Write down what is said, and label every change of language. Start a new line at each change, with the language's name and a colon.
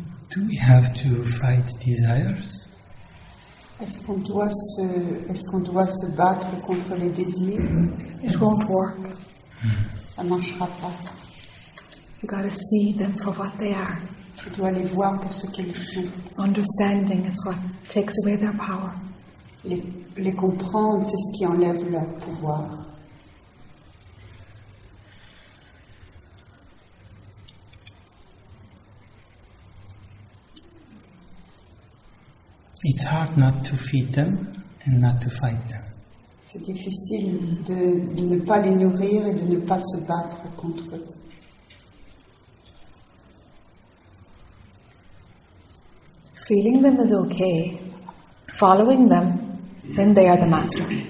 English: Do we have to fight desires?
French: Est-ce qu'on doit se battre contre les désirs?
English: Mm-hmm. It won't work.
French: Ça marchera pas.
English: You gotta see them for what they are.
French: Tu dois les voir pour ce qu'ils sont.
English: Understanding is what takes away their power.
French: Les comprendre, c'est ce qui enlève leur pouvoir.
English: It's hard not to feed them and not to fight them.
French: C'est difficile de ne pas les nourrir et de ne pas se battre contre eux.
English: Feeling them is okay. Following them, then they are the master.